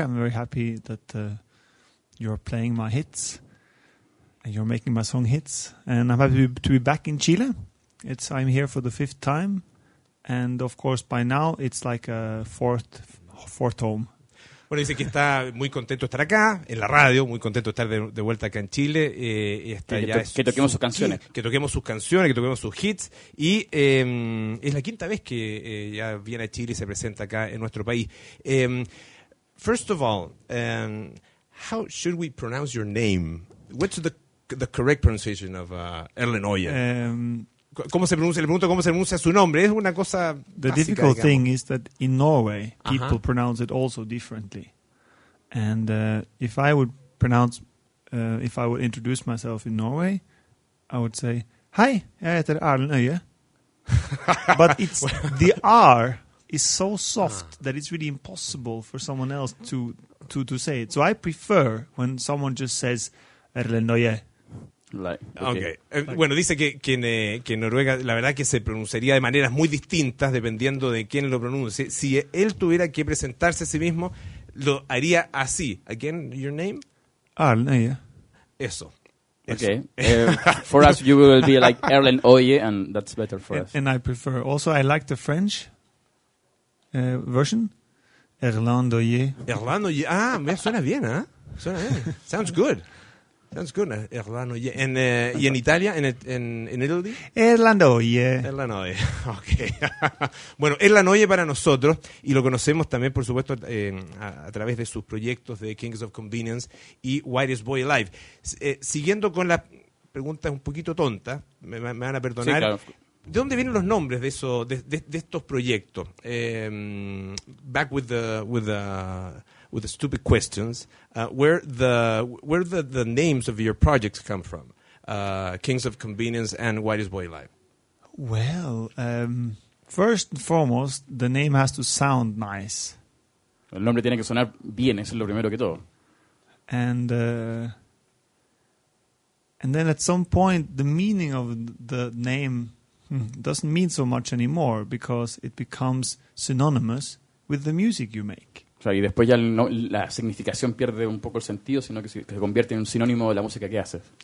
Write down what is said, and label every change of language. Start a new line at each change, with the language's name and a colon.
English: I'm very happy that you're playing my hits and you're making my song hits. And I'm happy to be back in Chile. I'm here for the fifth time. And of course, by now, it's like a fourth home.
Spanish: Bueno, dice que está muy contento de estar acá, en la radio, muy contento de estar de vuelta acá en Chile. Que toquemos sus canciones. Que toquemos sus canciones, que toquemos sus hits. Y es la quinta vez que ya viene a Chile y se presenta acá en nuestro país.
English: First of all, how should we pronounce your name? What's the correct pronunciation of Erlen Oye?
Spanish: ¿Cómo se pronuncia? Le pregunto cómo se pronuncia su nombre. Es una cosa
English: The
Spanish: básica,
English: difficult
Spanish: digamos.
English: Thing is that in Norway, people uh-huh. pronounce it also differently. And if I would introduce myself in Norway, I would say, Hi,
Norwegian: jeg heter
English: Erlen Oye. But it's the R is so soft that it's really impossible for someone else to say it. So I prefer when someone just says, Erlen Oye.
Spanish: Bueno, dice que en Noruega la verdad que se pronunciaría de maneras muy distintas dependiendo de quién lo pronuncie. Si él tuviera que presentarse a sí mismo, lo haría así.
English: Again, your name? Erlen Oye.
Spanish: Eso.
English: Okay. for us, you will be like Erlen Oye, and that's better for us. And I prefer. Also, I like the French version. Erlen Oye.
Spanish: Erlen Oye. Ah, me suena bien, ¿eh? Suena bien.
English: Sounds good. That's good.
Spanish: Erlen Oye. Y en Italia, en Italy?
English: Erlen Oye. Erlen Oye. Okay.
Spanish: Bueno, Erlen Oye para nosotros, y lo conocemos también, por supuesto, a través de sus proyectos de Kings of Convenience y Whitest Boy Alive. Siguiendo con la pregunta un poquito tonta, me van a perdonar. Sí, claro. ¿De dónde vienen los nombres de estos proyectos?
English: Back with the stupid questions. Where the names of your projects come from? Kings of Convenience and Whitest Boy Alive. Well, first and foremost, the name has to sound nice.
Spanish: El nombre tiene que sonar bien, eso es lo primero que todo.
English: And then at some point, the meaning of the name doesn't mean so much anymore because it becomes synonymous with the music you make.
Spanish: Y después ya la significación pierde un poco el sentido, sino que se convierte en un sinónimo de la música que haces.